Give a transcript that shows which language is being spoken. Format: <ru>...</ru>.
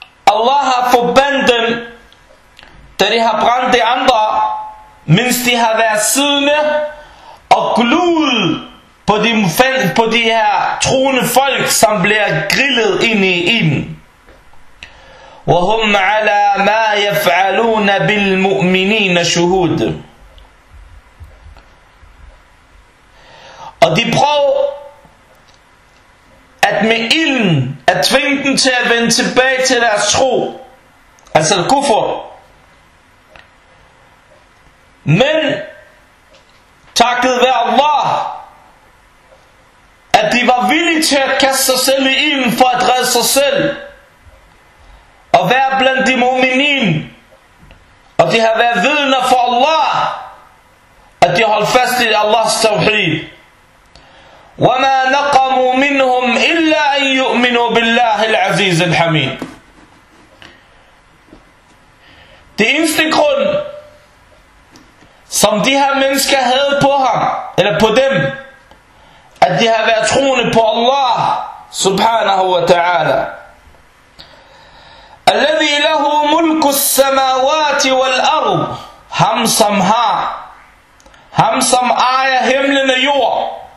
<da>الله forbandt dem, da de har brændt de andre, mens de har været siddende og glud på de her troende folk, som bliver grillet ind i ilden.</da> <ar>وهم على ما يفعلون بالمؤمنين شهود.</ar> <da>Og de prøver at med ilden at tvinge dem til at vende tilbage til deres tro, altså kufr. Men takket være Allah, at de var villige til at kaste sig selv i ilden for at redde sig selv og være blandt de mu'minin, og de har været vidner for Allah, at de holdt fast i Allahs tawhid.</da> <ar>وما نقموا منهم إلا أن يؤمنوا بالله العزيز الحميد.</ar> <da>Det eneste grund, som de her mennesker havde på ham, eller på dem, at de havde været troende på Allah subhanahu wa ta'ala,</da> <ar>الذي له ملك السماوات والأرض,</ar> <da>ham som har, ham som ejer himlen og jord.</da>